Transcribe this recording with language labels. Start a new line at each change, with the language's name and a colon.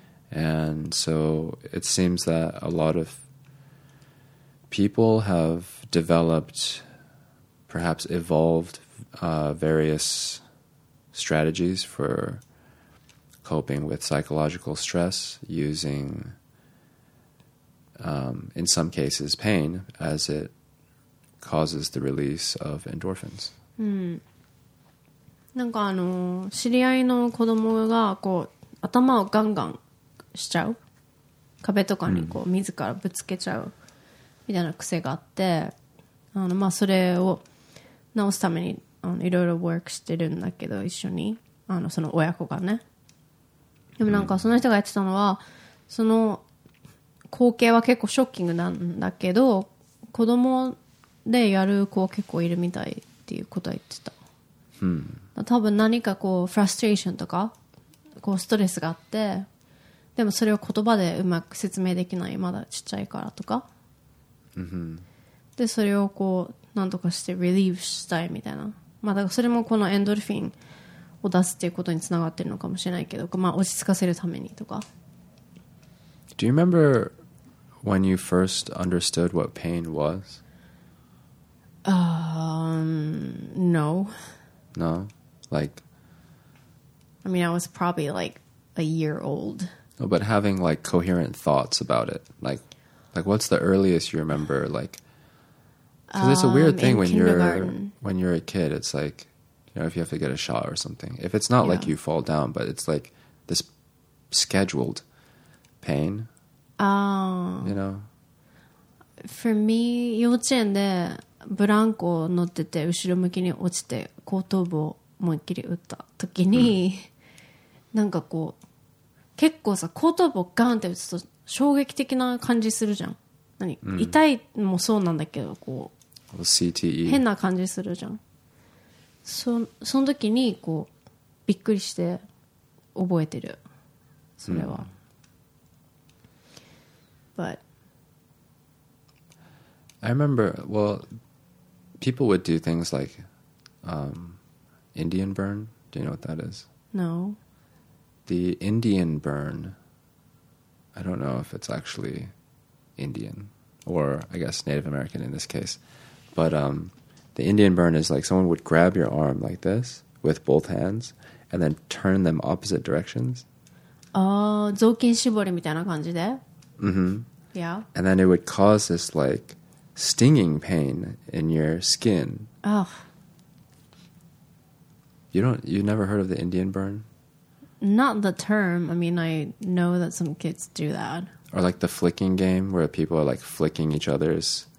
English: And so it seems that a lot of people have developed, perhaps evolved various strategies for coping with psychological stress using, in some cases, pain as it causes the release of endorphins.
Japanese: なんか知り合いの子供がこう頭をガンガンしちゃう、壁とかにこう自らぶつけちゃうみたいな癖があって、まあそれを直すためにいろいろワークしてるんだけど、一緒にその親子がね。でもなんかその人が言ってたのは、その光景は結構ショッキングなんだけど、子供でやる子は結構いるみたいっていうことは言ってた。多分何かこうフラストレーションとかこうストレスがあって、でもそれを言葉でうまく説明できない、まだちっちゃいからとか、でそれをこうなんとかしてリリーフしたいみたいな、まあ、だからそれもこのエンドルフィンを出すっていうことにつながってるのかもしれないけど、まあ、落ち着かせるためにとか。
English: Do you remember when you first understood what pain was? No. No? Like, I mean, I was probably like a year old. No, but having like coherent thoughts about it, like what's the earliest you remember, like, because it's a weird thing when you're a kid. It's like, you know, if you have to get a shot or something. If it's not like you fall down, but it's like this scheduled pain. You know? For me,
Japanese: 幼稚園でブランコ乗ってて後ろ向きに落ちて後頭部を思いっきり打った時に、なんかこう、結構さ、後頭部をガンって打つと衝撃的な感じするじゃん。何、痛いもそうなんだけど、こう。
English: CTE
Japanese: 変な感じするじゃん。その時にこうびっくりして覚えてる、それは。
English: But I remember, well, people would do things like Indian burn. Do you know what that is? No. The Indian burn, I don't know if it's actually Indian or I guess Native American in this case. But the Indian burn is like someone would grab your arm like this with both hands and then turn them opposite directions.
Japanese: ああ、雑巾絞りみたいな感じで。 Mm-hmm.
English: Yeah. And then it would cause this like stinging pain in your skin. Oh. You never heard of the Indian burn? Not the term. I mean, I know that some kids do that. Or like the flicking game where people are like flicking each other's.